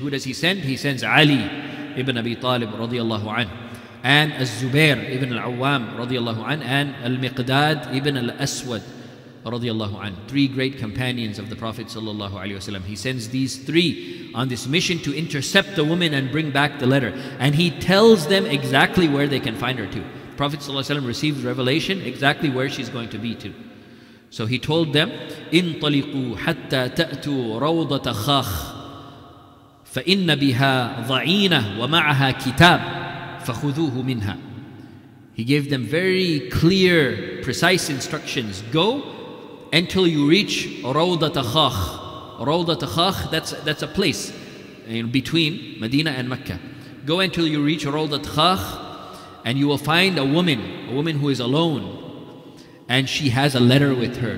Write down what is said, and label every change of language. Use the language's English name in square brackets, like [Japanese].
[English] Who does he send? He sends Ali ibn Abi Talib radiallahu anhu, and Az-Zubair ibn al-Awwam radiallahu anhu, and Al-Miqdad ibn al-Aswad radiallahu anhu, three great companions of the Prophet sallallahu alaihi wasallam. He sends these three on this mission to intercept the woman and bring back the letter. And he tells them exactly where they can find her to. The Prophet sallallahu alaihi wasallam receives revelation exactly where she's going to be to. So he told them, [Arabic] انطلقوا حتى تأتوا روضة خاخ فإن بها ضعينة ومعها كتاب فخذوه منها. [English] He gave them very clear, precise instructions. Go until you reach Rawdat Khakh. Rawdat Khakh, that's a place in between Medina and Mecca. Go until you reach Rawdat Khakh and you will find a woman who is alone, and she has a letter with her.